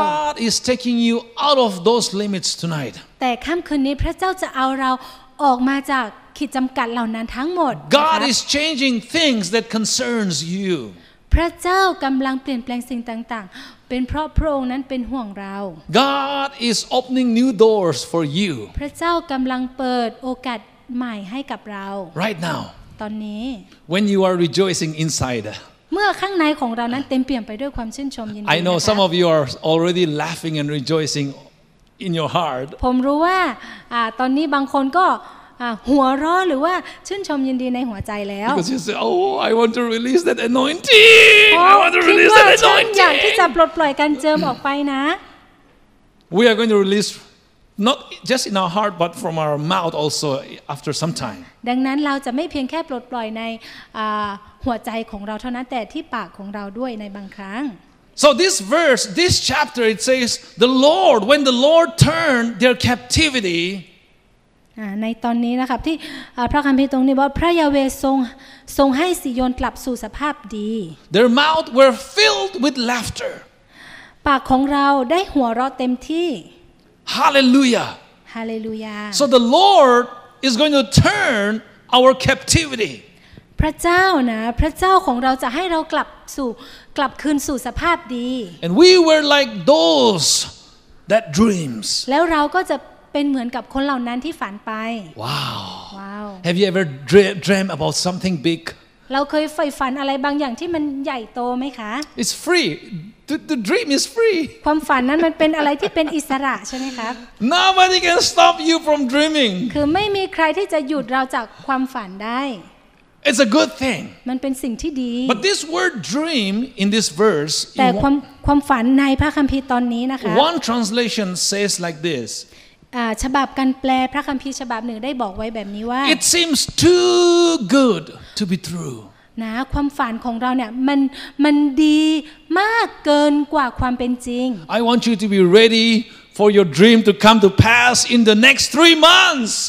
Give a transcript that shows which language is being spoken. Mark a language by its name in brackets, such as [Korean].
[English] But God is taking you out of those limits tonight [Thai] แต่ค่ำคืนนี้พระเจ้าจะเอาเราออกมาจากขีดจำกัดเหล่านั้นทั้งหมด [English] God is changing things that concerns you [Thai] พระเจ้ากำลังเปลี่ยนแปลงสิ่งต่างๆเป็นเพราะพระองค์นั้นเป็นห่วงเรา [English] God is opening new doors for you [Thai] พระเจ้ากำลังเปิดโอกาสใหม่ให้กับเรา [English] Right now [Thai] ตอนนี้ [English] When you are rejoicing inside [Thai] เมื่อข้างในของเรานั้นเต็มเปี่ยมไปด้วยความชื่นชมยินดี [English] I know some of you are already laughing and rejoicing in your heart [Thai] ผมรู้ว่าตอนนี้บางคนก็หัวเราะหรือว่าชื่นชมยินดีในหัวใจแล้ว [English] Because you say oh I want to release that anointing I want to release that anointing [Thai] อยากที่จะปลดปล่อยการเจิมออกไปนะ [English] We are going to release not just in our heart but from our mouth also after some time [Thai] ดังนั้นเราจะไม่เพียงแค่ปลดปล่อยในหัวใจของเราเท่านั้นแต่ที่ปากของเราด้วยในบางครั้ง [English] So this verse this chapter it says the Lord when the Lord turned their captivity [Thai] ในตอนนี้นะครับที่พระคัมภีร์ตรงนี้บอกพระยาเวทรงให้ซิโยนกลับสู่สภาพดี [English] Their mouth were filled with laughter [Thai] ปากของเราได้หัวเราะเต็มที่ [English] Hallelujah Hallelujah So the Lord is going to turn our captivity [Thai] พระเจ้านะพระเจ้าของเราจะให้เรากลับคืนสู่สภาพดี [English] And we were like those that dreams [Thai] แล้วเราก็จะเป็นเหมือนกับคนเหล่านั้นที่ฝันไป ว้าว ว้าว [English] Have you ever dream about something big [Thai] เราเคยใฝ่ฝันอะไรบางอย่างที่มันใหญ่โตไหมคะ [English] It's free the dream is free [Thai] ความฝันนั้นมันเป็นอะไรที่เป็นอิสระใช่ไหมครับ [English] Nobody can stop you from dreaming [Thai] คือไม่มีใครที่จะหยุดเราจากความฝันได้ [English] It's a good thing [Thai] มันเป็นสิ่งที่ดี [English] But this word dream in this verse [Thai] แต่ความฝันในพระคัมภีร์ตอนนี้นะคะ [English] One translation says like this [Thai] ฉบับการแปลพระคัมภีร์ฉบับหนึ่งได้บอกไว้แบบนี้ว่า [English] It seems too good to be true [Thai] นะความฝันของเราเนี่ยมันดีมากเกินกว่าความเป็นจริง [English] I want you to be ready for your dream to come to pass in the next 3 months